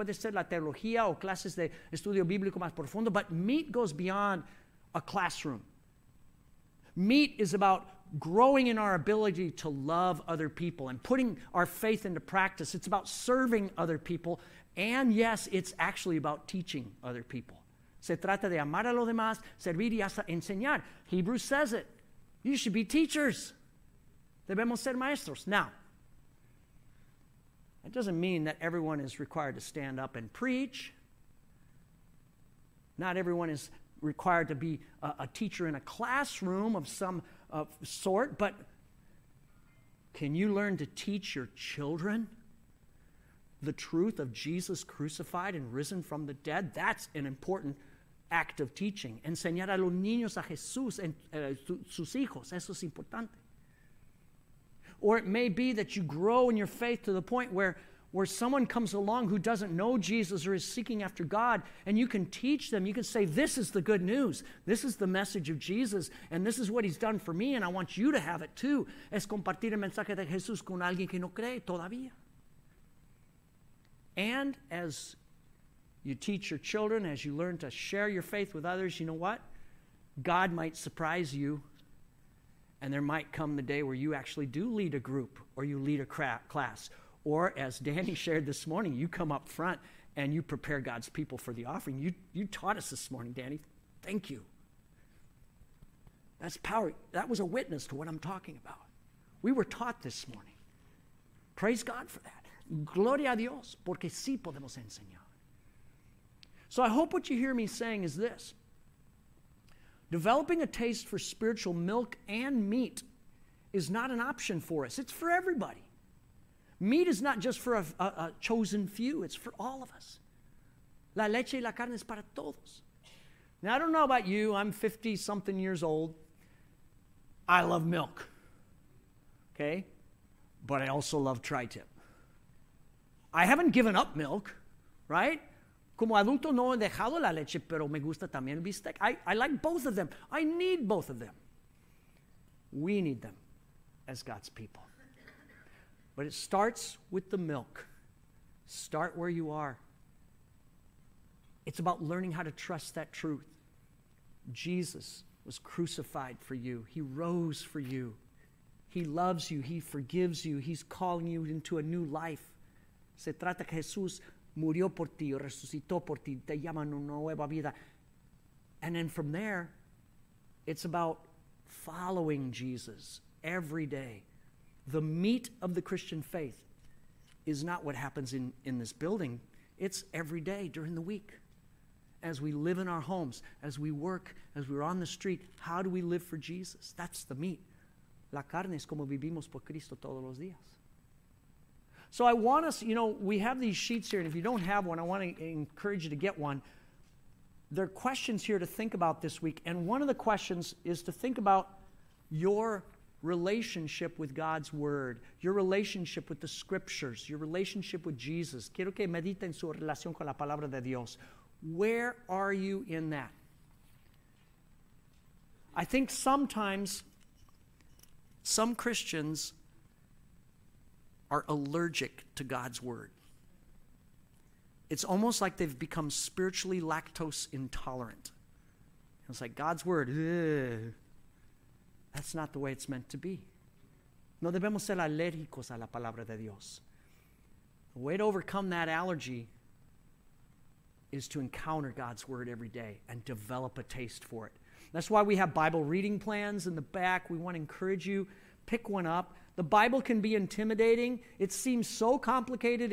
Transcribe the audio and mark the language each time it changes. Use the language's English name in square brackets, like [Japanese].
[Spanish] Puede ser la teología o clases de estudio bíblico más profundo, [English] but meat goes beyond a classroom. Meat is about growing in our ability to love other people and putting our faith into practice. It's about serving other people, and yes, it's actually about teaching other people. [Spanish] Se trata de amar a los demás, servir y hasta enseñar. [English] Hebrews says it. You should be teachers. [Spanish] Debemos ser maestros. [English] Now, that doesn't mean that everyone is required to stand up and preach. Not everyone is required to be a teacher in a classroom of some sort, but can you learn to teach your children the truth of Jesus crucified and risen from the dead? That's an important act of teaching. [Spanish] Enseñar a los niños a Jesús en sus hijos. Eso es importante. [English] Or it may be that you grow in your faith to the point where someone comes along who doesn't know Jesus or is seeking after God, and you can teach them. You can say, this is the good news. This is the message of Jesus, and this is what he's done for me, and I want you to have it too. [Spanish] Es compartir el mensaje de Jesús con alguien que no cree todavía. [English] And as you teach your children, as you learn to share your faith with others, you know what? God might surprise you, and there might come the day where you actually do lead a group or you lead a class. Or as Danny shared this morning, you come up front and you prepare God's people for the offering. You taught us this morning, Danny. Thank you. That's power. That was a witness to what I'm talking about. We were taught this morning. Praise God for that. [Spanish] Gloria a Dios, porque sí podemos enseñar. [English] So I hope what you hear me saying is this. Developing a taste for spiritual milk and meat is not an option for us. It's for everybody. Meat is not just for a chosen few. It's for all of us. [Spanish] La leche y la carne es para todos. [English] Now, I don't know about you. I'm 50-something years old. I love milk. Okay? But I also love tri-tip. I haven't given up milk, right? [Spanish] Como adulto no he dejado la leche, pero me gusta también el bistec. [English] I like both of them. I need both of them. We need them as God's people. But it starts with the milk. Start where you are. It's about learning how to trust that truth. Jesus was crucified for you. He rose for you. He loves you. He forgives you. He's calling you into a new life. [Spanish] Se trata que Jesús murió por ti, resucitó por ti, te llama una nueva vida. [English] And then from there, it's about following Jesus every day. The meat of the Christian faith is not what happens in this building. It's every day during the week. As we live in our homes, as we work, as we're on the street, how do we live for Jesus? That's the meat. [Spanish] La carne es como vivimos por Cristo todos los días. [English] So I want us, you know, we have these sheets here, and if you don't have one, I want to encourage you to get one. There are questions here to think about this week, and one of the questions is to think about your relationship with God's Word, your relationship with the Scriptures, your relationship with Jesus. [Spanish] Quiero que mediten su relación con la palabra de Dios. [English] Where are you in that? I think sometimes some Christians are allergic to God's Word. It's almost like they've become spiritually lactose intolerant. It's like God's Word, that's not the way it's meant to be. [Spanish] No debemos ser alérgicos a la palabra de Dios. [English] The way to overcome that allergy is to encounter God's Word every day and develop a taste for it. That's why we have Bible reading plans in the back. We want to encourage you, pick one up. The Bible can be intimidating. It seems so complicated.